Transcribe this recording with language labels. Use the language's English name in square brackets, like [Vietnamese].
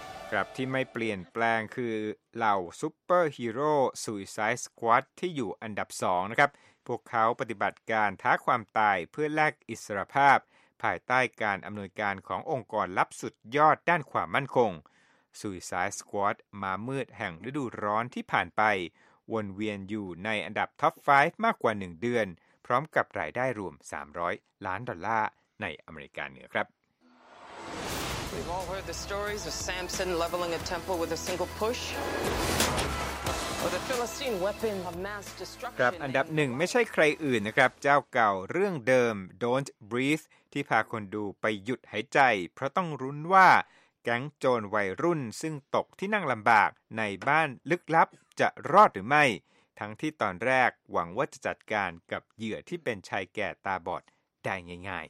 [Thai] ครับที่ไม่เปลี่ยนแปลงคือเหล่าซูเปอร์ฮีโร่ Suicide Squad ที่อยู่อันดับ2นะครับพวกเขาปฏิบัติการท้าความตายเพื่อแลกอิสรภาพภายใต้การอำนวยการขององค์กรลับสุดยอดด้านความมั่นคง Suicide Squad มามืดแห่งฤดูร้อนที่ผ่านไปวนเวียนอยู่ในอันดับท็อป5มากกว่า1เดือนพร้อมกับรายได้รวม300ล้านดอลลาร์ในอเมริกาเหนือครับ [English] We've all heard the stories of Samson leveling a temple with a single push with a Philistine weapon of mass destruction [Thai] ครับอันดับ1ไม่ใช่ใครอื่นนะครับเจ้าเก่าเรื่องเดิม Don't Breatheที่พาคนดูไปหยุดหายใจเพราะต้องรุ้นว่าแก๊งโจรวัยรุ่นซึ่งตกที่นั่งลำบากในบ้านลึกลับจะรอดหรือไม่ทั้งที่ตอนแรกหวังว่าจะจัดการกับเหยื่อที่เป็นชายแก่ตาบอดได้ง่าย